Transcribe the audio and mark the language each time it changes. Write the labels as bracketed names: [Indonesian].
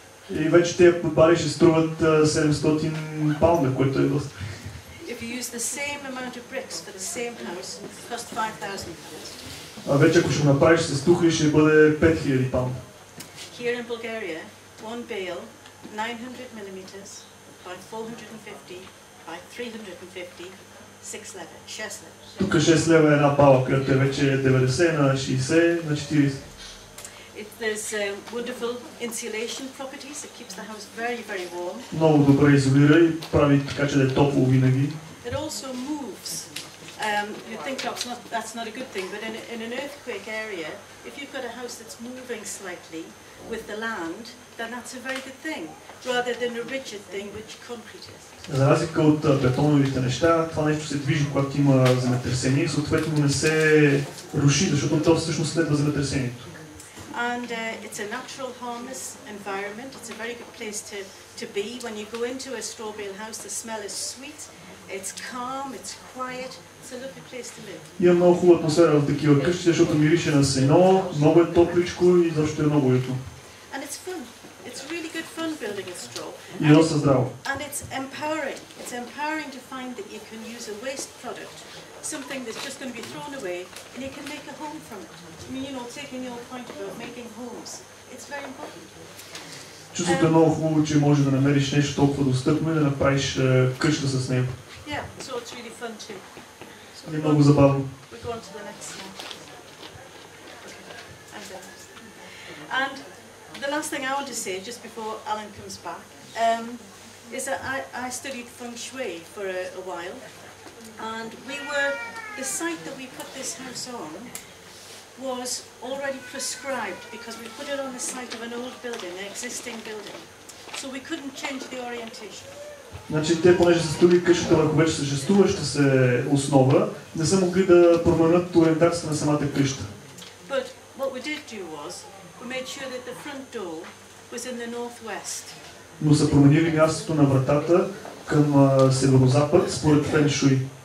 [Bulgarian] И вече тези бали ще струват 700 паунда, което е доста. [English] If you use the same amount of bricks for the same house, it cost £5,000. [Bulgarian] А вече ако ще направиш с тухли ще бъде 5000 паунда. [English] Here in Bulgaria, one bale, 900 millimeters by 450 by 350, 6 leva, 6 leva. [Bulgarian] Тук 6 лева е една бала, която е вече 90 на 60 на 40. [English] There's wonderful insulation properties. It keeps the house very, very warm. [Bulgarian] Много добре изолира и прави така, че да е топло винаги. [English] It also moves you'd think that's not a good thing, but in an earthquake area, if you've got a house that's moving slightly with the land, then that's a very good thing, rather than a rigid thing which concrete is. [Bulgarian] За разлика от бетоновите неща, това нещо се движи, когато има земетресение, съответно не се руши, защото то всъщност следва земетресението. [English] And it's a natural harmless environment. It's a very good place to be. When you go into a straw bale house, the smell is sweet. It's calm, it's quiet. It's a lovely place to live. [Bulgarian] Има много хубава атмосфера в такива къщи, защото мирише на сено, много е топличко и защото е много уютно. [English] And it's fun. It's really good fun building a straw. [Bulgarian] И доста здраво. [English] And it's empowering. It's empowering to find that you can use a waste product. Something that's just going to be thrown away, and you can make a home from it. I mean, you know, taking your point about making homes, it's very important. [Bulgarian] Чувството е много хубаво, че можеш да намериш нещо толкова достъпно и да направиш къща с него. [English] Yeah, so it's really fun too. [Bulgarian] И много забавно. [English] We go on to the next slide. Okay. And the last thing I want to say, just before Alan comes back, is that I studied feng shui for a while. And we were, the site that we put this house on was already prescribed because we put it on the site of an old building, an existing building. So we couldn't change the orientation. [Bulgarian] Значи те, понеже са строили къщата върху вече съществуваща се основа, не са могли да променят ориентацията на самата къща. [English] But what we did do was, we made sure that the front door was in the northwest. [Bulgarian] Но са променили мястото на вратата към северо-запад според Фен Шуй.